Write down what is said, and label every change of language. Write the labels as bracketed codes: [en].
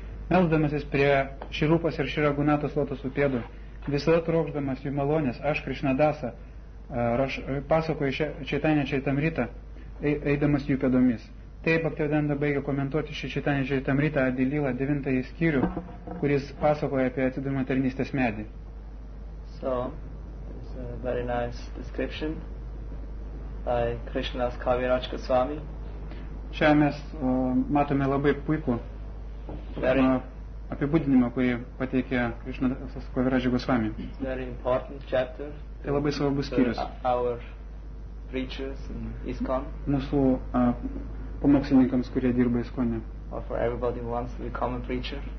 [lt] Melsdamasis prie Shirupas ir Shiragunatas lotusų pėdų, visada trokšdamas jų malonės, aš Krishna Dasa, pasakoju Chaitanya Charitamrita, eidamas jų pėdomis. Taip Bhaktivedanta baigia komentuoti šį Chaitanya Charitamrita Adi Lila 9 skyrių, kuris pasakoja apie atsidūrimą tarnystės medį. [en] So, it's a very nice description by Krishnas Kaviraj Goswami. [lt] Čia mes matome labai puikų apibūdinimą, kurį pateikė Krishnas Kaviraj Goswami. [en] Very important chapter. [lt] Tai labai svarbus skyrius. [en] Our preachers in ISKCON. [lt] Mūsų pamokslininkams, kurie dirba ISKCON. [en] Or for everybody who wants to become a preacher.